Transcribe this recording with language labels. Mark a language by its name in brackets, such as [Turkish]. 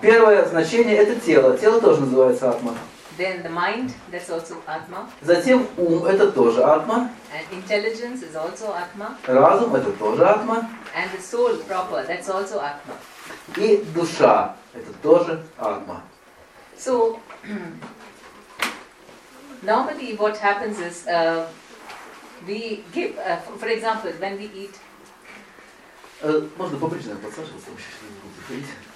[Russian] Первое значение — это тело. Тело тоже называется Атма. [English] Then the mind, that's also Atma. [Russian] Затем ум — это тоже Атма. [English] And intelligence is also Atma. [Russian] Разум — это тоже Атма. [English] And the soul proper, that's also Atma. [Russian] И душа — это тоже Атма. [English] So normally what happens is we give for example when we eat. [Russian] Можно поближе подсаживаться, вообще не буду приходить.